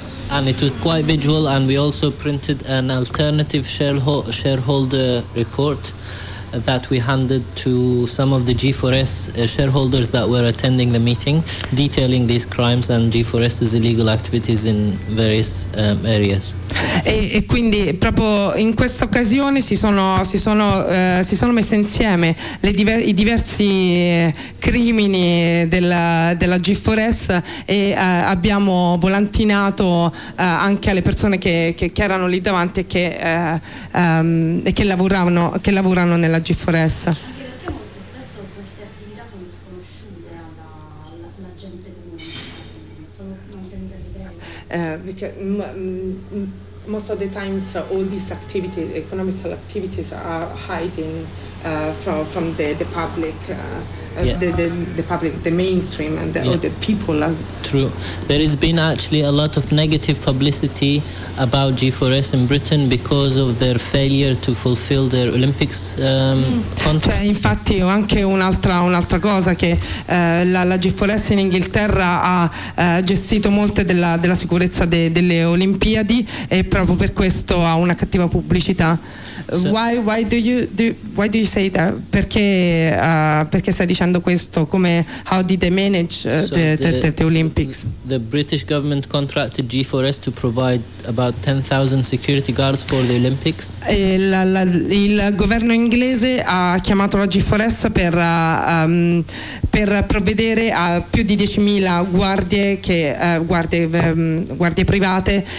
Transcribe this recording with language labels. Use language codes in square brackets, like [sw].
[en] And it was quite visual, and we also printed an alternative shareholder report that we handed to some of the G4S shareholders that were attending the meeting, detailing these crimes and G4S's illegal activities in various areas. [it] E quindi proprio in questa occasione si sono messe insieme i diversi crimini della G4S e abbiamo volantinato anche alle persone che erano lì davanti e che lavorano nella G4S. Anche perché molto spesso queste attività sono sconosciute alla gente comune, sono mantenute segrete. [en] Most of the times all these activities, economical activities, are hiding from the public, the public, the mainstream, and the people. True. There has been actually a lot of negative publicity about G4S in Britain because of their failure to fulfill their Olympics contract. [it] Cioè, infatti anche un'altra cosa, che la G4S in Inghilterra ha gestito molte della sicurezza delle Olimpiadi, e proprio per questo ha una cattiva pubblicità. [en] So, why do you say that? [it] Perché stai dicendo questo? [en] Come, how did they manage the Olympics? The British government contracted G4S to provide about 10,000 security guards for the Olympics. [it] Il governo inglese ha chiamato la G4S per provvedere a più di 10,000 guardie private